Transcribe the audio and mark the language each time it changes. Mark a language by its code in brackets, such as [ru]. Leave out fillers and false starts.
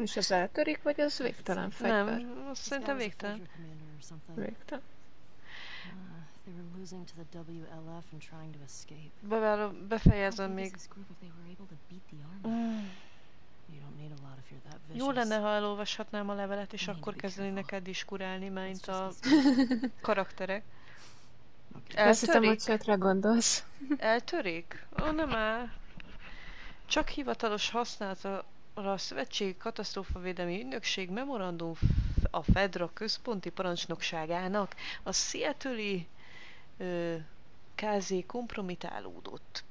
[hu] És az eltörik, vagy az végtelen fegyver? Nem, azt szerintem végtelen. Végtelen. [en] They were losing to the WLF and trying to escape. [hu] Befejezem még. [en] You don't need a lot if you're that vicious. [hu] Jó lenne, ha elolvashatnám a levelet, és akkor kezdeni neked is kurálni, mint a karakterek. Eltörik? Azt hiszem, hogy csak gondolsz. Eltörik? Ó, nem áll. Csak hivatalos használatra a Szövetségi Katasztrófavédelmi Ügynökség memorandum a Fedra központi parancsnokságának a Seattle-i KZ kompromitálódott.